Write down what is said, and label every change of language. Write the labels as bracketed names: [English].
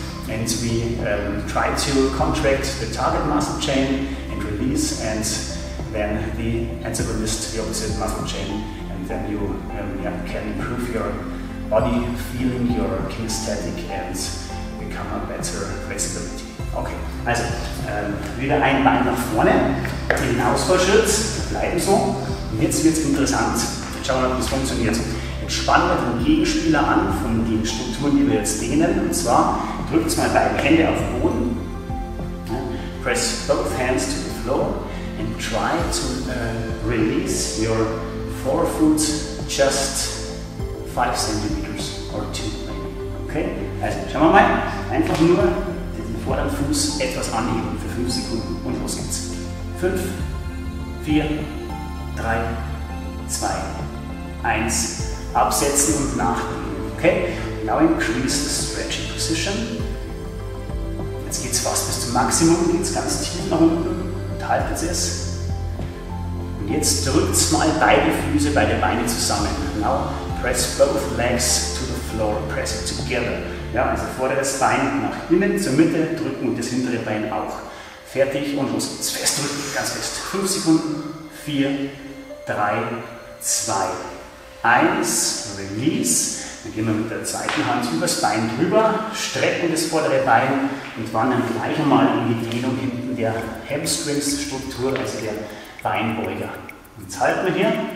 [English] And we try to contract the target muscle chain and release, and then the antagonist, the opposite muscle chain, and then you can improve your body feeling, your kinesthetic, and become a better flexibility. [German] Okay, also wieder ein Bein nach vorne, den Ausfallschritt, bleiben so. Und jetzt wird es interessant. Jetzt schauen wir mal, ob das funktioniert. Entspannen wir den Gegenspieler an von den Strukturen, die wir jetzt dehnen. Und zwar drückt mal beide Hände auf den Boden. [English] Press both hands to the floor and try to release your forefoot just 5 cm or 2 maybe. [German] Okay, also schauen wir mal. Einfach nur den vorderen Fuß etwas anheben für 5 Sekunden und los geht's. 5, 4, 3, 2, 1. Absetzen und nachdehnen. [English] Okay? Now increase the stretching position. [German] Jetzt geht es fast bis zum Maximum, geht es ganz tief nach unten und haltet es. Und jetzt drückt mal beide Füße, beide Beine zusammen. [English] Now press both legs to the floor, press it together. [German] Ja, also vorderes Bein nach innen zur Mitte drücken und das hintere Bein auch. Fertig und los geht's. Fest drücken, ganz fest. 5 Sekunden, 4, 3, 2. 1, release, dann gehen wir mit der zweiten Hand übers Bein drüber, strecken das vordere Bein und wandern gleich einmal in die Dehnung hinten der Hamstrings-Struktur, also der Beinbeuger. Jetzt halten wir hier.